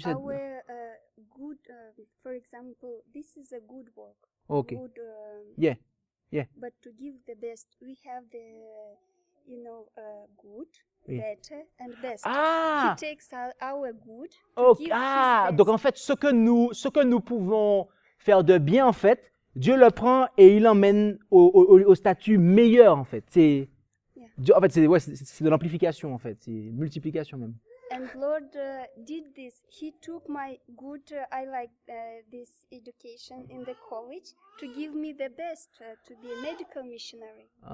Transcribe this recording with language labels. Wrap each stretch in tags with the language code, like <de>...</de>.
<en>Our good. For example, this is a good work. Okay. Good, yeah. But to give the best, we have the. You know, good, oui. Better, and best. Ah. He takes our good to give his best.</en> <fr>Donc en fait, ce que nous pouvons faire de bien, en fait, Dieu le prend et il l'emmène au statut meilleur, en fait. C'est de l'amplification, en fait, c'est multiplication même.</fr> <en>And Lord did this. He took my good. I like this education in the college to give me the best to be a medical missionary.</en>